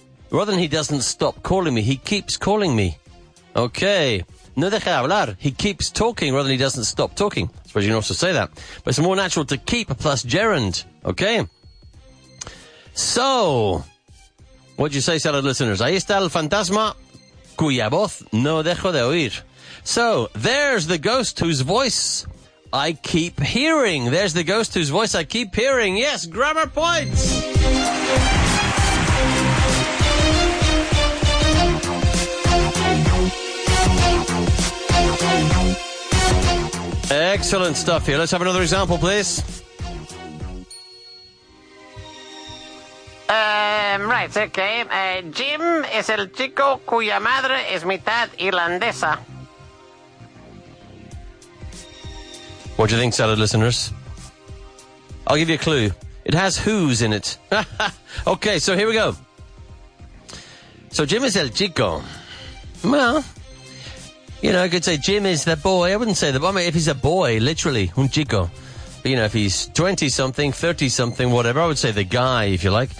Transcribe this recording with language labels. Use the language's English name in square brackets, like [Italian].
[English] Rather than he doesn't stop calling me, he keeps calling me. Okay. [Spanish] No deja de hablar. [English] He keeps talking rather than he doesn't stop talking. I suppose you can also say that. But it's more natural to keep plus gerund. Okay. So, what'd you say, salad listeners? [Spanish] Ahí está el fantasma cuya voz no dejo de oír. [English] So, there's the ghost whose voice I keep hearing. There's the ghost whose voice I keep hearing. Yes, grammar points! Excellent stuff here. Let's have another example, please. Right, okay. [Spanish] Jim es el chico cuya madre es mitad irlandesa. [English] What do you think, salad listeners? I'll give you a clue. It has who's in it. Okay, so here we go. So Jim is [Spanish] el chico. [English] Well, you know, I could say Jim is the boy. I wouldn't say the boy. I mean, if he's a boy, literally, un chico. But, you know, if he's 20-something, 30-something, whatever, I would say the guy, if you like.